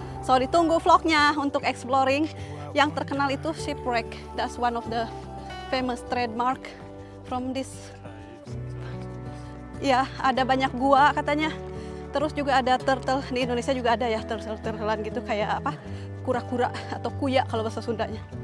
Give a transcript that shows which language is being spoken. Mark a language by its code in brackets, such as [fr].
[id] So, ditunggu vlognya untuk exploring. Yang terkenal itu shipwreck. [en] That's one of the famous trademark from this. [id] Ya, ada banyak gua katanya. Terus juga ada turtle, di Indonesia juga ada ya, turtle-turtlean gitu kayak apa? Kura-kura atau kuya kalau bahasa Sundanya.